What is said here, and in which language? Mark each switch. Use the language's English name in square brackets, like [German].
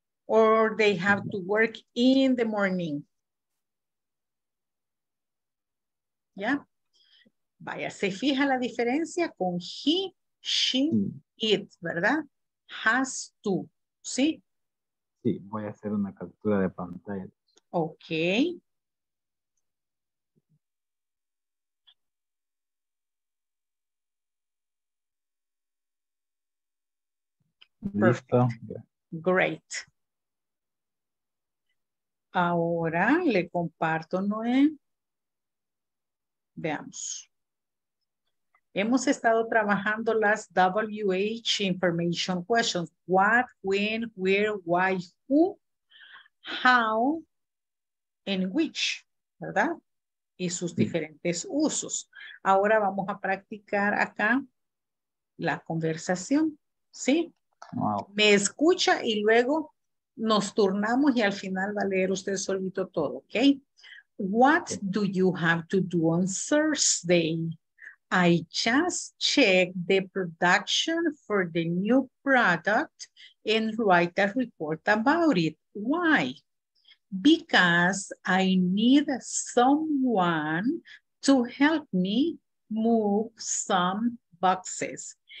[English] Or they have to work in the morning. Yeah. [Spanish] Vaya, se fija la diferencia con he, she, it, ¿verdad? [English] Has to, ¿sí? [Spanish] Sí, voy a hacer una captura de pantalla. [English] Ok. [Spanish] Listo. [English] Great. [Spanish] Ahora le comparto, Noé. Veamos. Hemos estado trabajando las WH information questions. [English] What, when, where, why, who, how, and which, ¿verdad? [Spanish] Y sus diferentes usos. Ahora vamos a practicar acá la conversación, ¿sí? [English] Wow. [Spanish] Me escucha y luego nos turnamos y al final va a leer usted solito todo, ¿ok? [English] What do you have to do on Thursday? I just checked the production for the new product and write a report about it. Why? Because I need someone to help me move some boxes.